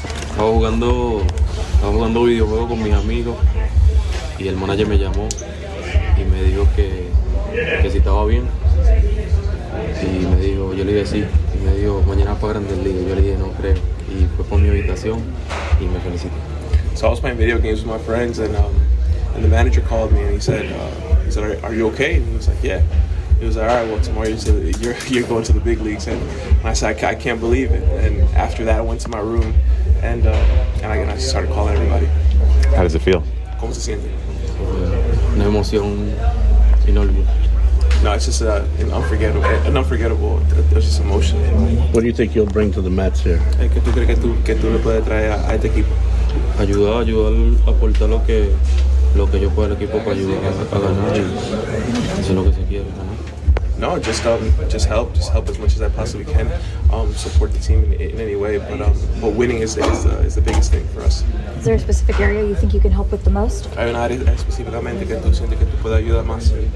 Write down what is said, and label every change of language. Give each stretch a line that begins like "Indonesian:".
Spanish: Estaba jugando videojuegos con mis amigos y el manager me llamó y me dijo que si estaba bien. Y me dijo, yo le dije sí. Y me dijo, mañana para Grandes Ligas. Yo le dije, no creo. Y fue por mi habitación y me felicité.
English: So I was playing video games with my friends and the manager called me and he said, are you okay? And he was like, yeah. He was like, all right, well, tomorrow you're going to the big leagues. And I said, I can't believe it. And after that, I went to my room and I started calling everybody. How does it feel?
Spanish: ¿Cómo se siente? Una emoción inolvidable.
English: No, it's just an unforgettable, it's just emotion. What do you think you'll bring to the Mets here?
Spanish: ¿Qué tú crees que tú le puedes traer a este equipo? Ayudar, aportar lo que yo puedo al equipo para ayudar a ganar. Eso es lo que se quiere, ¿no?
English: No, just help as much as I possibly can, support the team in any way. But winning is the biggest thing for us. Is there a specific area you think you can help with the most?
Spanish: Hay una área específicamente que tú sientes que tú puedes ayudar más.